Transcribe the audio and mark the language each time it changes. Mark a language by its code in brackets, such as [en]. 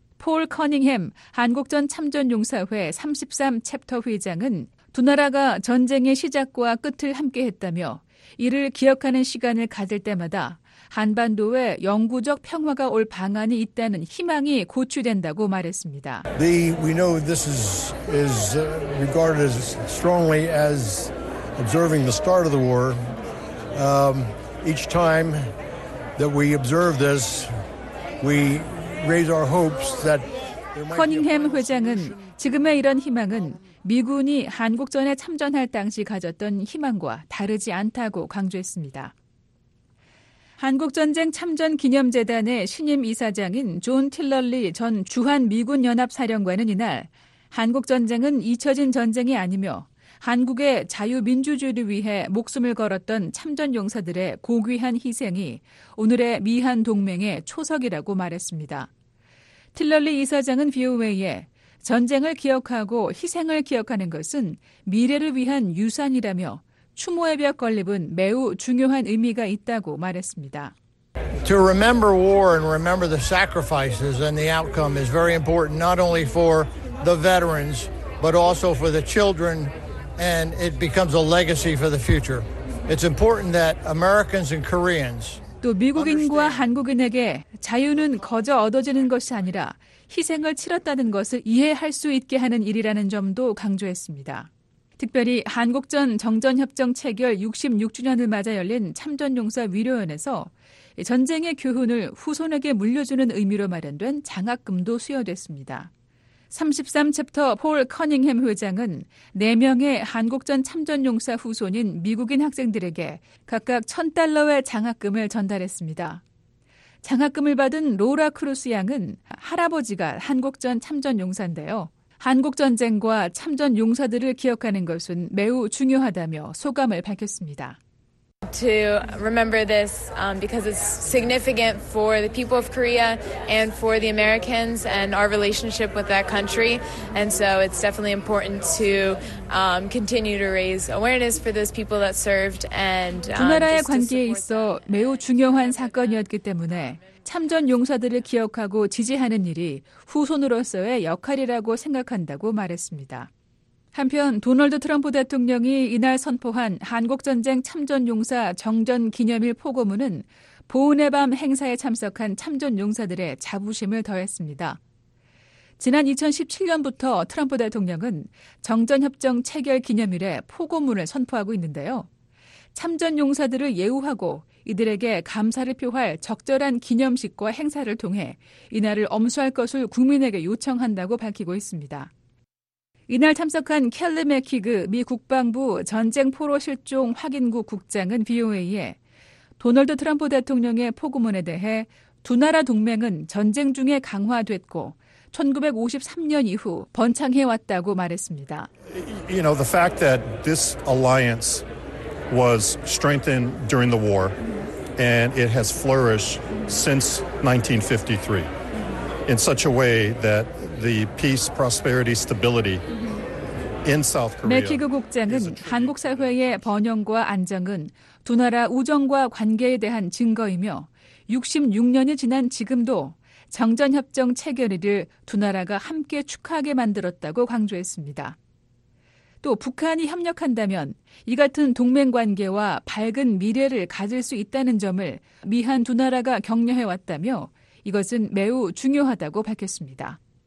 [ko] 폴 커닝햄 한국전 참전용사회 33챕터 회장은 두 나라가 전쟁의 시작과 끝을 함께했다며 이를 기억하는 시간을 가질 때마다 한반도에 영구적 평화가 올 방안이 있다는 희망이 고취된다고 말했습니다. [en] We know this is regarded as strongly as observing the start of the war. Each time that we observe this, we raise our hopes that. [ko] 커닝햄 회장은 지금의 이런 희망은 미군이 한국전에 참전할 당시 가졌던 희망과 다르지 않다고 강조했습니다. 한국전쟁 참전기념재단의 신임 이사장인 존 틸러리 전 주한미군연합사령관은 이날 한국전쟁은 잊혀진 전쟁이 아니며 한국의 자유민주주의를 위해 목숨을 걸었던 참전용사들의 고귀한 희생이 오늘의 미한 동맹의 초석이라고 말했습니다. 틸러리 이사장은 VOA에 전쟁을 기억하고 희생을 기억하는 것은 미래를 위한 유산이라며 추모의 벽 건립은 매우 중요한 의미가 있다고 말했습니다. [en] To remember war and remember the sacrifices and the outcome is very important not only for the veterans but also for the children and it becomes a legacy for the future. It's important that Americans and Koreans [ko] 또 미국인과 한국인에게 자유는 거저 얻어지는 것이 아니라 희생을 치렀다는 것을 이해할 수 있게 하는 일이라는 점도 강조했습니다. 특별히 한국전 정전협정 체결 66주년을 맞아 열린 참전용사 위로연에서 전쟁의 교훈을 후손에게 물려주는 의미로 마련된 장학금도 수여됐습니다. 33챕터 폴 커닝햄 회장은 4명의 한국전 참전용사 후손인 미국인 학생들에게 각각 $1,000의 장학금을 전달했습니다. 장학금을 받은 로라 크루스 양은 할아버지가 한국전 참전용사인데요. 한국전쟁과 참전용사들을 기억하는 것은 매우 중요하다며 소감을 밝혔습니다. [en] To remember this because it's significant for the people of Korea and for the Americans and our relationship with that country. And so it's definitely important to continue to raise awareness for those people that served and [ko] 두 나라의 관계에 있어 매우 중요한 사건이었기 때문에 참전 용사들을 기억하고 지지하는 일이 후손으로서의 역할이라고 생각한다고 말했습니다. 한편 도널드 트럼프 대통령이 이날 선포한 한국전쟁 참전용사 정전기념일 포고문은 보은의 밤 행사에 참석한 참전용사들의 자부심을 더했습니다. 지난 2017년부터 트럼프 대통령은 정전협정 체결 기념일에 포고문을 선포하고 있는데요. 참전용사들을 예우하고 이들에게 감사를 표할 적절한 기념식과 행사를 통해 이날을 엄수할 것을 국민에게 요청한다고 밝히고 있습니다. 이날 참석한 켈리 맥히그 미 국방부 전쟁포로실종확인국 국장은 VOA에 도널드 트럼프 대통령의 포고문에 대해 두 나라 동맹은 전쟁 중에 강화됐고 1953년 이후 번창해 왔다고 말했습니다. [en] You know, the fact that this alliance was strengthened during the war and it has flourished since 1953 in such a way that the peace, prosperity, stability in South Korea. [ko] 매키그 국장은 한국 사회의 번영과 안정은 두 나라 우정과 관계에 대한 증거이며 66년이 지난 지금도 정전협정 체결일을 두 나라가 함께 축하하게 만들었다고 강조했습니다. 또 북한이 협력한다면 이 같은 동맹관계와 밝은 미래를 가질 수 있다는 점을 미한 두 나라가 격려해왔다며 이것은 매우 중요하다고 밝혔습니다.